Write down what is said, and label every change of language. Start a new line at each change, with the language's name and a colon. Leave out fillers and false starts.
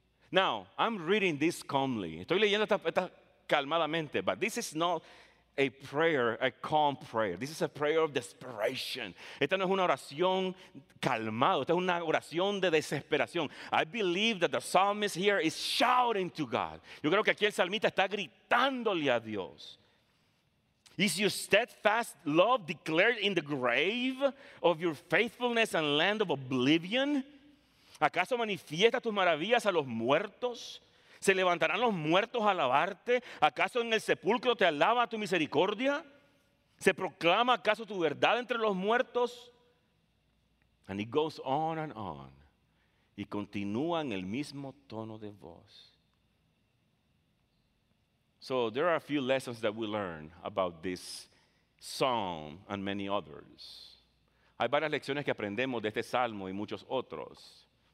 English: Now, I'm reading this calmly.
Spanish: Estoy leyendo esta calmadamente,
English: but this is not a prayer, a calm prayer. This is a prayer of desperation.
Spanish: Esta no es una oración calmada. Esta es una oración de desesperación.
English: I believe that the psalmist here is shouting to God.
Spanish: Yo creo que aquí el salmista está gritándole a Dios.
English: Is your steadfast love declared in the grave of your faithfulness and land of oblivion?
Spanish: ¿Acaso manifiesta tus maravillas a los muertos? ¿Se levantarán los muertos a alabarte? ¿Acaso en el sepulcro te alaba tu misericordia? ¿Se proclama acaso tu verdad entre los muertos?
English: And it goes on and on.
Spanish: Y continúa en el mismo tono de voz.
English: So there are a few lessons that we learn about this psalm and many others.
Spanish: Hay varias lecciones que aprendemos de este salmo y muchos otros.